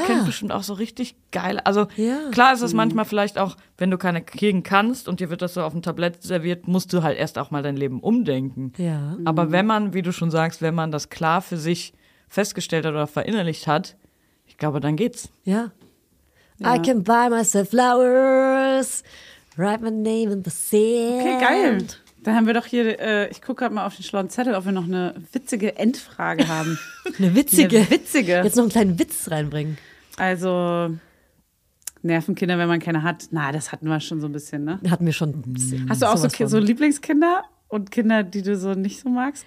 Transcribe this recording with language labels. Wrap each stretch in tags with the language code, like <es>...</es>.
<de>Die kennt bestimmt auch so richtig geil. Also klar ist es manchmal vielleicht auch, wenn du keine kriegen kannst und dir wird das so auf dem Tablett serviert, musst du halt erst auch mal dein Leben umdenken. Ja. Aber wenn man, wie du schon sagst, wenn man das klar für sich festgestellt hat oder verinnerlicht hat, ich glaube, dann geht's. Ja.</de> <en>I can buy myself flowers. Write my name in the sand.</en> <de>Okay, geil. Dann haben wir doch hier, ich gucke gerade mal auf den schlauen Zettel, ob wir noch eine witzige Endfrage haben. Eine witzige. Jetzt noch einen kleinen Witz reinbringen. Also, Nervenkinder, wenn man keine hat. Na, das hatten wir schon so ein bisschen, ne? Hatten wir schon. Hast du auch so Lieblingskinder und Kinder, die du so nicht so magst?</de>